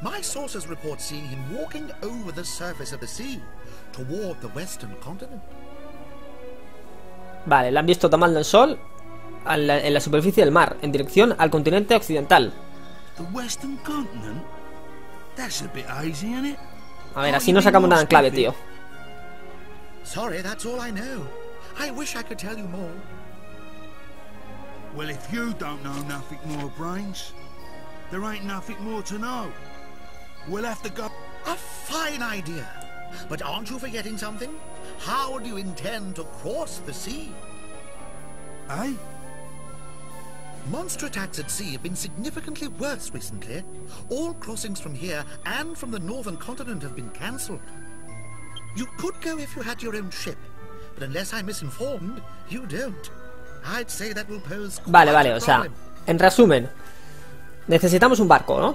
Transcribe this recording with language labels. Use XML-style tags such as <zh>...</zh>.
<en>My sources report seeing him walking over the surface of the sea toward the western continent.</en> <es>Vale, lo han visto tomando el sol en la superficie del mar, en dirección al continente occidental.</es> <en>The western continent? That's a bit easy, isn't it?</en> <es>A ver, así no sacamos nada en clave, tío.</es> <en>Sorry, that's all I know. I wish I could tell you more. Well, if you don't know nothing more, Brains, there ain't nothing more to know. We'll have to go. A fine idea. But aren't you forgetting something? How do you intend to cross the sea? Eh? Monster attacks at sea have been significantly worse recently. All crossings from here and from the northern continent have been cancelled. You could go if you had your own ship, but unless I'm misinformed, you don't.</en> <es>Vale, vale, o sea, en resumen, necesitamos un barco, ¿no?</es>